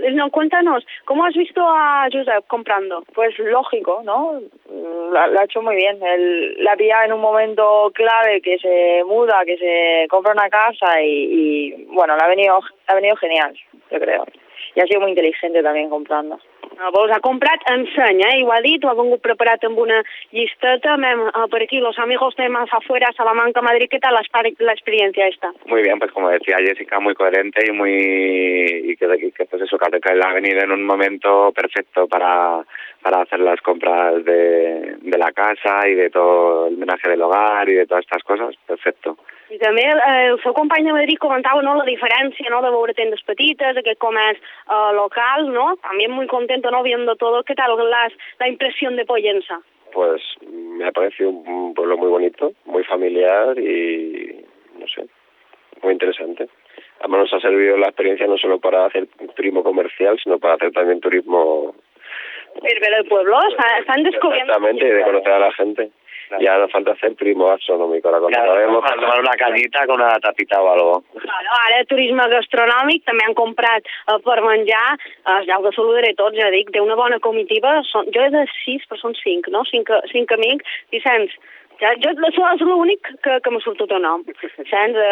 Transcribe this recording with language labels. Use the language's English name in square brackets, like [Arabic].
[Spanish] cuéntanos, ¿cómo has visto a Josep comprando? Pues lógico, ¿no? Lo ha hecho muy bien. Él la pilla en un momento clave, que se muda, que se compra una casa y bueno, le ha venido genial, yo creo. Y ha sido muy inteligente también comprando. [Catalan] Vos ha comprat enseny, eh? I ho ha dit, ho ha vengut preparat amb una llisteta. Per aquí, [Spanish] los amigos de más afuera, Salamanca, Madrid, ¿qué tal la experiencia esta? Muy bien, pues como decía Jessica, muy coherente y muy... Y que pues eso, que ha venido en un momento perfecto para hacer las compras de la casa y de todo el menaje del hogar y de todas estas cosas, perfecto. [Catalan] I també el seu company de Madrid comentava, no, la diferència, no, de veure tendes petites, aquest comerç local, no? [Spanish] También muy contento, no, viendo todo. ¿Qué tal la impresión de Pollença? Pues me ha parecido un pueblo muy bonito, muy familiar y, no sé, muy interesante. Además nos ha servido la experiencia no solo para hacer turismo comercial, sino para hacer también turismo... Ir ver el pueblo, están descubriendo... Exactamente, y de conocer a la gente. Claro. Ya no falta hacer turismo gastronómico, ahora cuando vemos para tomar una cañita con una tapita o algo. [Catalan] Claro, ara turisme gastronòmic, també han comprat per menjar, ja us saludaré tots, ja dic, té una bona comitiva, jo he de 6, però són 5, no? 5 amics, Vicenç. Ja, jo és l'únic que m'ha sortit el nom, saps?